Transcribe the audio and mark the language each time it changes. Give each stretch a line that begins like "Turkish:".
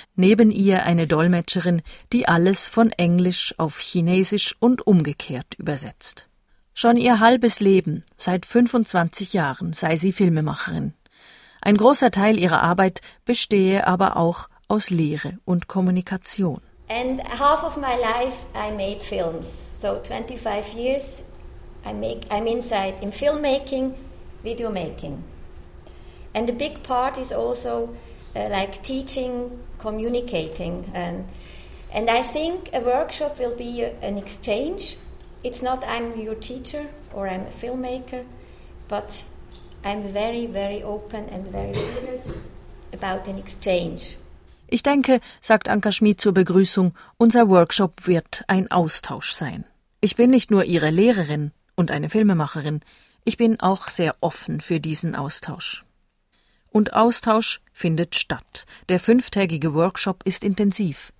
German: Neben ihr eine Dolmetscherin, die alles von Englisch auf Chinesisch und umgekehrt übersetzt. Schon ihr halbes Leben, seit 25 Jahren, sei sie Filmemacherin. Ein großer Teil ihrer Arbeit bestehe aber auch aus Lehre und Kommunikation.
English: And half of my life I made films. So 25 years I'm inside in filmmaking, videomaking. And the big part is also like teaching, communicating. And I think a workshop will be an exchange. It's not I'm your teacher or I'm a filmmaker, but I'm very, very open and very curious about an exchange.
German: Ich denke, sagt Anka Schmid zur Begrüßung, unser Workshop wird ein Austausch sein. Ich bin nicht nur Ihre Lehrerin und eine Filmemacherin, ich bin auch sehr offen für diesen Austausch. Und Austausch findet statt. Der fünftägige Workshop ist intensiv.